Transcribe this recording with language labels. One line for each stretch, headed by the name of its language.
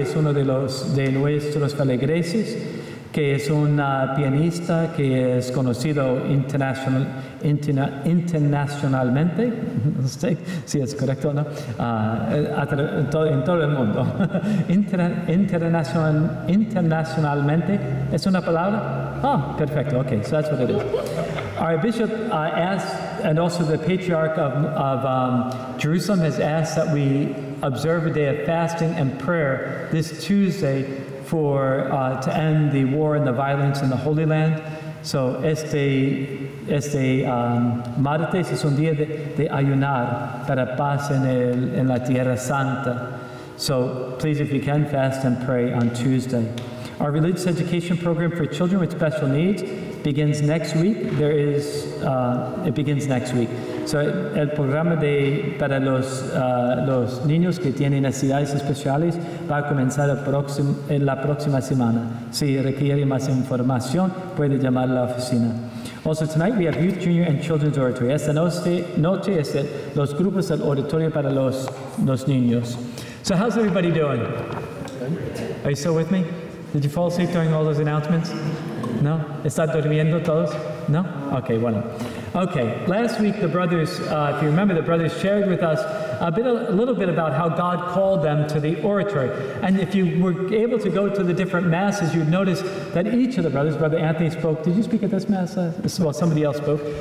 Spanish: Es uno de nuestros feligreses, que es un pianista que es conocido internacionalmente, no sé si es correcto o no, en todo el mundo. Internacionalmente, ¿es una palabra?
English: Ah, oh, perfecto, okay, so that's what it is. Our bishop asked, and also the patriarch of Jerusalem has asked that we observe a day of fasting and prayer this Tuesday to end the war and the violence in the Holy Land.
Spanish: So este martes es un día de ayunar para paz en la Tierra Santa.
English: So please, if you can, fast and pray on Tuesday. Our religious education program for children with special needs begins next week. It begins next week.
Spanish: So el programa para los niños que tienen necesidades especiales va a comenzar en la próxima semana. Si requiere más información, puede llamar a la oficina.
English: Also tonight we have Youth, Junior, and Children's Oratory.
Spanish: Esta noche es los grupos del auditorio para los niños.
English: So how's everybody doing? Are you still with me? Did you fall asleep during all those announcements?
Spanish: No? ¿Está durmiendo todos? No? Okay, bueno.
English: Okay, last week the brothers, if you remember, the brothers shared with us a little bit about how God called them to the oratory. And if you were able to go to the different masses, you'd notice that each of the brothers, Brother Anthony spoke, did you speak at this mass? Well, somebody else spoke.